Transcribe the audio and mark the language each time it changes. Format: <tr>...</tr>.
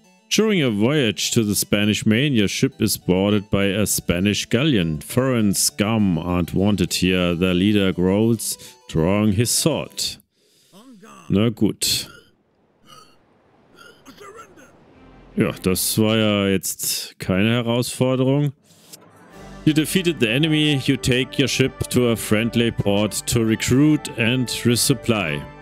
<en>During your voyage to the Spanish Main, your ship is boarded by a Spanish galleon. Foreign scum aren't wanted here. Their leader growls, drawing his sword.</en> <de>Na gut. Ja, das war ja jetzt keine Herausforderung.</de> <en>You defeated the enemy, you take your ship to a friendly port to recruit and resupply.</en>